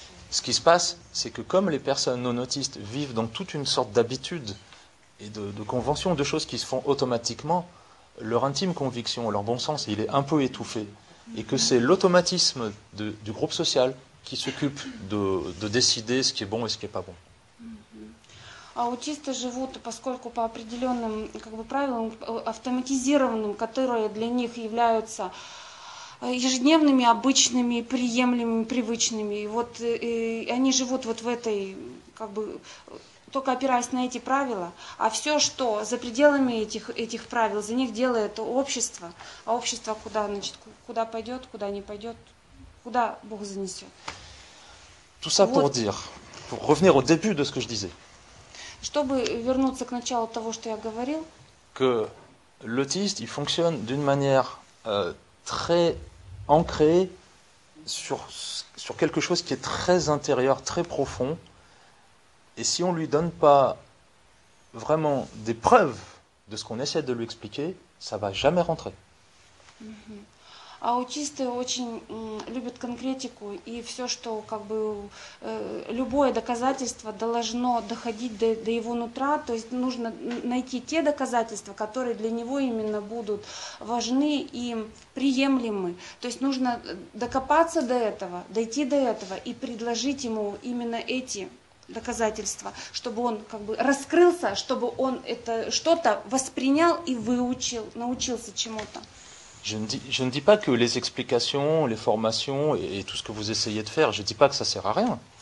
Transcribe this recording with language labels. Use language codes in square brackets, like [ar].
[fr] Ce qui se passe, c'est que comme les personnes non-autistes vivent dans toute une sorte d'habitude et de convention, de choses qui se font automatiquement, leur intime conviction, leur bon sens, il est un peu étouffé. Et que c'est l'automatisme du groupe social qui s'occupe de décider ce qui est bon et ce qui n'est pas bon. [ru] Аутисты живут, поскольку по определенным как бы, правилам, автоматизированным, которые для них являются ежедневными, обычными, приемлемыми, привычными. И вот и они живут вот в этой, как бы, только опираясь на эти правила, а все, что за пределами этих правил, за них делает общество, а общество куда, значит, куда пойдет, куда не пойдет, куда Бог занесет. [fr] Tout ça pour dire, pour revenir au début de ce que je disais. [ru] Чтобы вернуться к началу того, что я говорил, [fr] que l'autiste, il fonctionne d'une manière très ancrée sur quelque chose qui est très intérieur, très profond. Et si on lui donne pas vraiment des preuves de ce qu'on essaie de lui expliquer, ça va jamais rentrer. [ru] Аутисты очень любят конкретику, и все, что как бы любое доказательство должно доходить до его нутра, то есть нужно найти те доказательства, которые для него именно будут важны и приемлемы. То есть нужно докопаться до этого, дойти до этого и предложить ему именно эти доказательства, чтобы он как бы раскрылся, чтобы он это что-то воспринял и выучил, научился чему-то. [fr] Je ne dis pas que les explications, les formations et tout ce que vous essayez de faire, je ne dis pas que ça sert à rien.